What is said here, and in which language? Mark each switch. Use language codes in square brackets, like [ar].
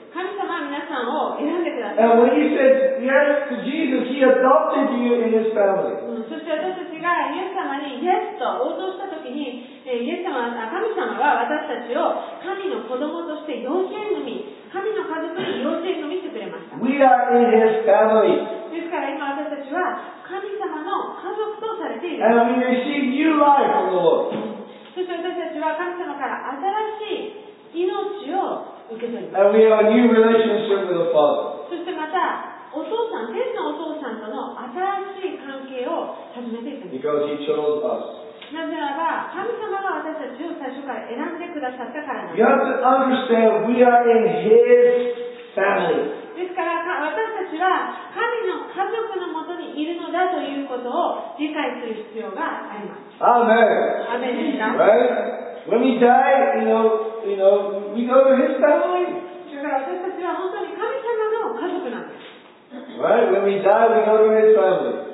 [ja] 神様は皆さんを選んでください。 [en] And when he said yes to Jesus, he adopted you in his family. [ja] そして私たちがイエス様にイエスと応答したときに、神様は私たちを神の子供として養子縁組、神の家族に養子縁組してくれました。 [en] We are in his family. [ja] ですから今私たちは神様の家族とされている。 [en] And we receive new life from the Lord. [ja] そして私たちは神様から新しい命を [en] And we have a new relationship with the Father. [ja] そしてまたお父さん、天のお父さんとの新しい関係を始めていく。 [en] Because He chose us. [ja] なぜならば神様が私たちを最初から選んでくださったからなんです。 [en] You have to understand we are in His family. [ja] ですから私たちは神の家族のもとにいるのだということを理解する必要があります。 [en] Amen. [ja] アメンでした。 [en] Right? When he died, you know, we go to his family. Right? When we die, we go to his family.